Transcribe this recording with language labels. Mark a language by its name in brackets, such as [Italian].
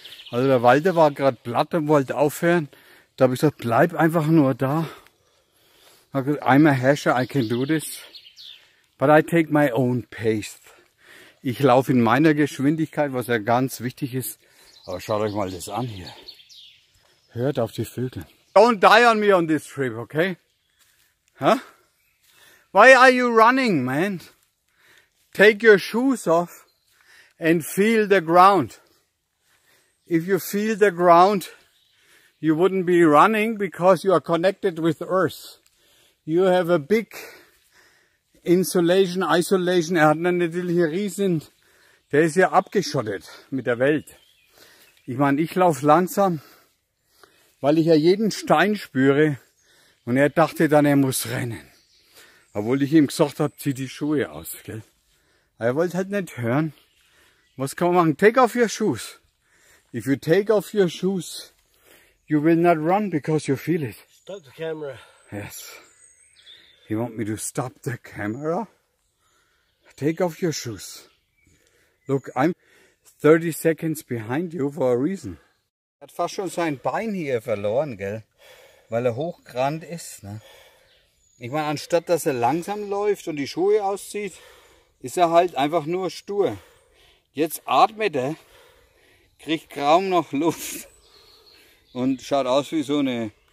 [German] Also der Walter war gerade platt und wollte aufhören. Da habe ich gesagt, bleib einfach nur da. [English] I'm a hasher, I can do this. But I take my own pace. [German] Ich laufe in meiner Geschwindigkeit, was ja ganz wichtig ist. Aber schaut euch mal das an hier. Hört auf die Vögel. [English] Don't die on me on this trip, okay? Huh? Why are you running, man? Take your shoes off and feel the ground. If you feel the ground, you wouldn't be running because you are connected with earth. You have a big Isolation, [German] er hat natürlich hier riesen, der ist ja abgeschottet mit der Welt. Ich meine, ich laufe langsam, weil ich ja jeden Stein spüre und er dachte dann, er muss rennen. Obwohl ich ihm gesagt habe, zieh die Schuhe aus, gell. Er wollte halt nicht hören. Was kann man machen? [English] Take off your shoes. If you take off your shoes, you will not run because you feel it. Stop the camera. Yes. You want me to stop the camera? Take off your shoes. Look, I'm 30 seconds behind you for a reason. [German] Er hat fast schon sein Bein hier verloren, gell? Weil er hochgerannt ist, ne? Ich meine, anstatt dass er langsam läuft und die Schuhe auszieht, ist er halt einfach nur stur. Jetzt atmet er, kriegt kaum noch Luft und schaut aus wie so eine.